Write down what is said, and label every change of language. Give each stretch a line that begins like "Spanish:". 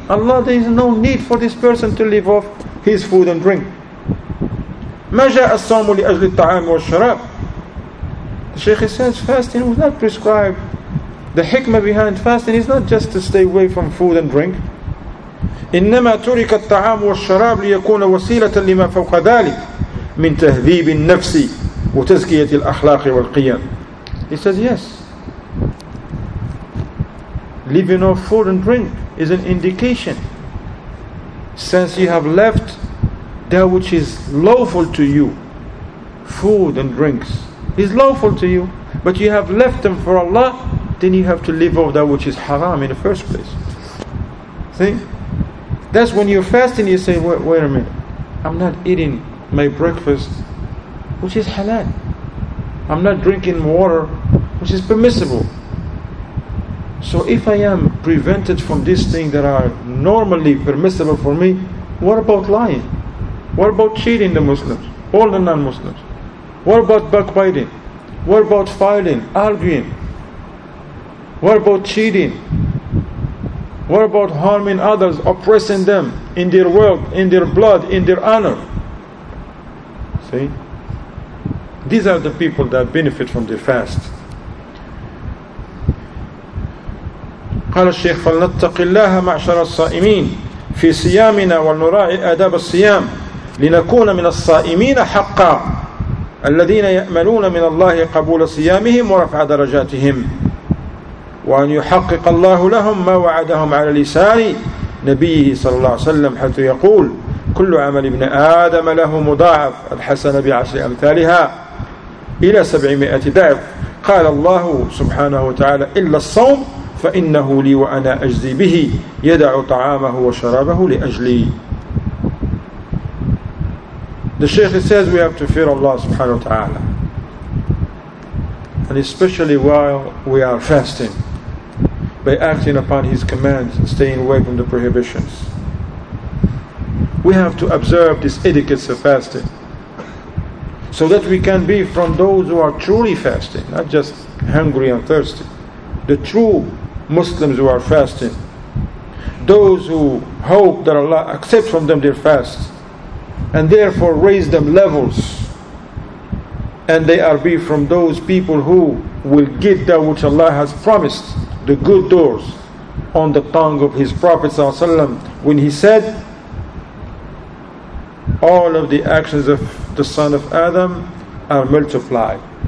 English: Allah, there is no need for this person to live off his food and drink.
Arabic: مَا جَاءَ الصَّوْمُ لِأَجْلِ الطَّعَامِ وَالشَّرَابِ
English: The Shaykh says, fasting was not prescribed. The hikmah behind fasting is not just to stay away from food and drink.
Arabic: إِنَّمَا تُرِكَ الطَّعَامُ وَالشَّرَابِ لِيَكُونَ وَسِيلَةً لِمَا فَوْقَ ذَلِكَ مِنْ تَهْذِيبِ النَّفْسِ وَتَزْكِيَةِ الْأَخْلَاقِ وَالْقِيَامِ
English: He says, yes. Leaving off food and drink is an indication. Since you have left that which is lawful to you, food and drinks is lawful to you, but you have left them for Allah, then you have to leave off that which is haram in the first place. See? That's when you're fasting, you say, wait a minute, I'm not eating my breakfast, which is halal. I'm not drinking water, which is permissible. So if I am prevented from these things that are normally permissible for me, what about lying? What about cheating the Muslims, all the non-Muslims? What about backbiting? What about fighting, arguing? What about cheating? What about harming others, oppressing them in their world, in their blood, in their honor? See? These are the people that benefit from the fast.
Arabic: قال الشيخ فلنتق الله معشر الصائمين في صيامنا ولنراعي آداب الصيام لنكون من الصائمين حقا الذين يأملون من الله قبول صيامهم ورفع درجاتهم وأن يحقق الله لهم ما وعدهم على لسان نبيه صلى الله عليه وسلم حيث يقول كل عمل ابن آدم له مضاعف الحسن بعشر أمثالها إلى 700 ضعف قال الله سبحانه وتعالى إلا الصوم فإنه لي وأنا أجزي به يدع طعامه وشرابه لأجلي
English: The Shaykh says we have to fear Allah subhanahu wa ta'ala and especially while we are fasting by acting upon His commands and staying away from the prohibitions we have to observe this etiquette of fasting, so that we can be from those who are truly fasting, not just hungry and thirsty. The true Muslims who are fasting, those who hope that Allah accepts from them their fast, and therefore raise them levels, and they are be from those people who will get that which Allah has promised, the good doors, on the tongue of His Prophet ﷺ, when he said, all of the actions of the son of Adam are multiplied.